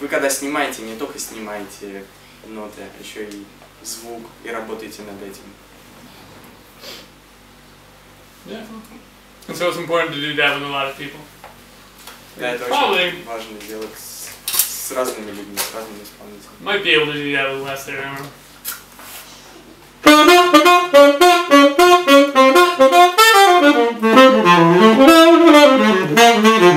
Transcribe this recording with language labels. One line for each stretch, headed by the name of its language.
Russian: Снимаете, не только снимаете ноты, еще и звук, и работаете над этим.
English: Yeah. And so it's important to do that with a lot of people.
Russian: Да, это
English: probably
Russian: очень важно делать с разными людьми, с разными исполнителями.
English: Might be able to do that with Lester, I don't